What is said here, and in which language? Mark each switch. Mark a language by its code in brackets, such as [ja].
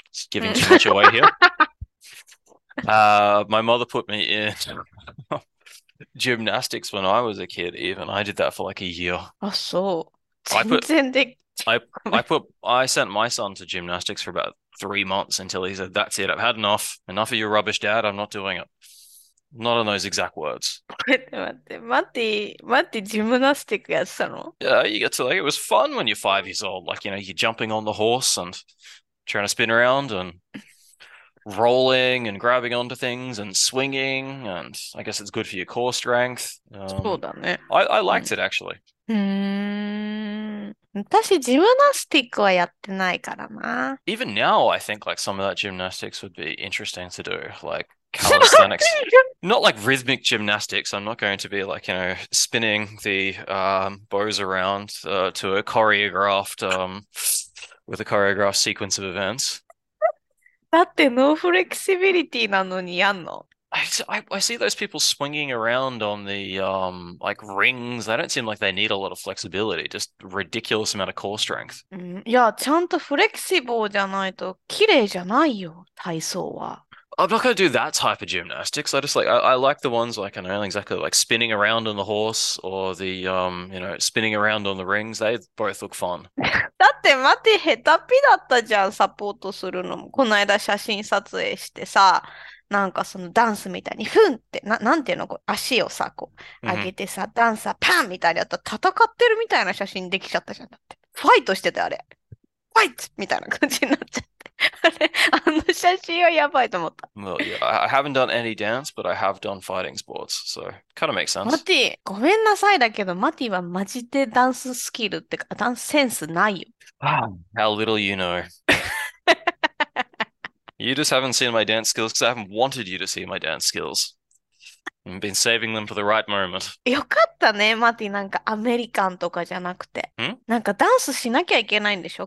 [en] It's giving too much away here. My mother put me in gymnastics when I was a kid, even. I did that for like a year. [ja] あ、そう。全然でき。ごめん。 [en] I sent my son to gymnastics for about 3 months until he said, "That's it, I've had enough. Enough of your rubbish, Dad, I'm not doing it." Not in those exact words. [ja] 待って、ジムナスティックやってたの？ [en] Yeah, you get to like it was fun when you're 5 years old. Like, you're jumping on the horse and trying to spin around and rolling and grabbing onto things and swinging. And I guess it's good for your core strength. [ja] そうだね。 [en] I [ja] うん。 [en] liked it actually. [ja] うん。私、ジムナスティックはやってないからな。 [en] Even now, I think like some of that gymnastics would be interesting to do, like [ja] ジム [en] calisthenics. Not like rhythmic gymnastics. I'm not going to be like, spinning the bows around to a choreographed sequence of events. [ja] ナスティック。だって、ノーフレキシビリティなのにやんの？ [en] I see those people swinging around on the like rings. They don't seem like they need a lot of flexibility, just ridiculous amount of core strength. [ja] いや、ちゃんとフレキシボーじゃないと綺麗じゃないよ、体操は。 [en] I'm not going to do that type of gymnastics. I just like I like the ones like I know exactly like spinning around on the horse or the spinning around on the rings. They both look fun. [ja] 待って、下手っぴだったじゃん、サポートするのも。この間写真撮影してさ、なんかそのダンスみたいに、ふんって、なんていうの、こう足をさ、こう、上げてさ、ダンサーパンみたいにやったら戦ってるみたいな写真できちゃったじゃん、だって。ファイトしてたあれ。ファイトみたいな感じになっちゃって。あれ、あの写真はやばいと思った。 [en] Well, yeah, I haven't done any dance, but I have done fighting sports, so kind of makes [ja] マ [en] sense. [ja] ティ、ごめんなさいだけど、マティはマジでダンススキルってか、ダンスセンスないよ。 [en] How little you know. You just haven't seen my dance skills because I haven't wanted you to see my dance skills. I've been saving them for the right moment. [ja] よかったね、マティ、なんかアメリカンとかじゃなくて。なんかダンスしなきゃいけないんでしょ？